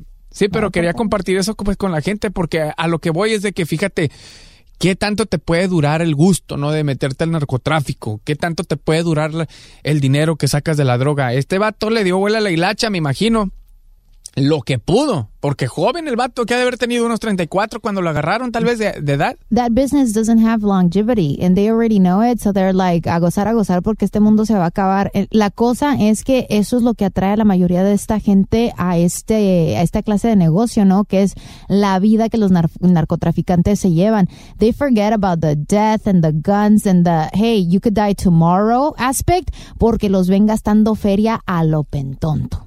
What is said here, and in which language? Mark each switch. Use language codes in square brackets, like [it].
[es] Sí, pero no, quería compartir eso pues con la gente porque a lo que voy es de que fíjate qué tanto te puede durar el gusto, ¿no?, de meterte al narcotráfico, qué tanto te puede durar el dinero que sacas de la droga. Este vato le dio vuela a la hilacha, me imagino. Lo que pudo, Porque joven el vato, que ha de haber tenido unos 34 cuando lo agarraron, tal vez de edad. [en] That business doesn't have longevity and they already know it, so they're like, [es] a gozar porque este mundo se va a acabar. La cosa es que eso es lo que atrae a la mayoría de esta gente a esta clase de negocio, ¿no? Que es la vida que los narcotraficantes se llevan. [en] They forget about the death and the guns and the, hey, you could die tomorrow aspect, [es] porque los ven gastando feria a lo pentonto.